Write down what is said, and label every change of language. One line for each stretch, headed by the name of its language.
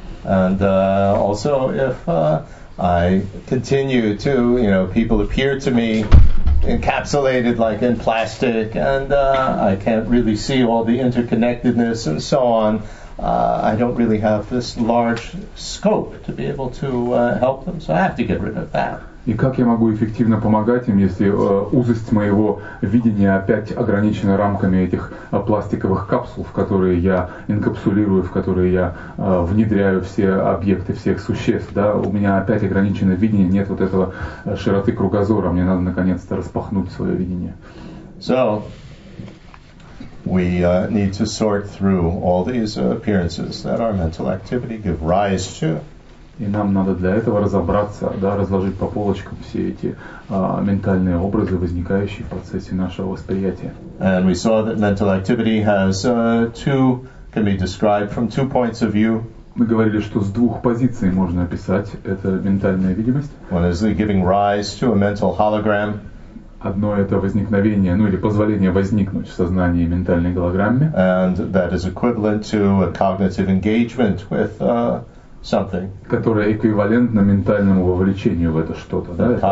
English: And also, if I continue to, you know, people appear to me encapsulated like in plastic, and I can't really see all the interconnectedness and so on. I don't really have this large scope to be able to help them, so I have to get rid of that.
Russian: И как я могу эффективно помогать им, если узость моего видения опять ограничена рамками этих пластиковых капсул, в которые я инкапсулирую, в которые я внедряю все объекты всех существ, да? У меня опять ограничено видение, нет вот этого широты кругозора, мне надо наконец-то распахнуть свое видение.
English: So, we need to sort through all these appearances that our mental activity give rise to.
Russian: И нам надо для этого разобраться, да, разложить по полочкам все эти ментальные образы, возникающие в процессе нашего восприятия.
English: And we saw that mental activity has two, can be described from two points of view.
Russian: Мы говорили, что с двух позиций можно описать это ментальная видимость.
English: One is giving rise to a mental hologram.
Russian: одно это возникновение, ну или позволение возникнуть в сознании ментальной голограмме.
English: And that is equivalent to a cognitive engagement with something.
Russian: Которое эквивалентно ментальному вовлечению в это что-то, да?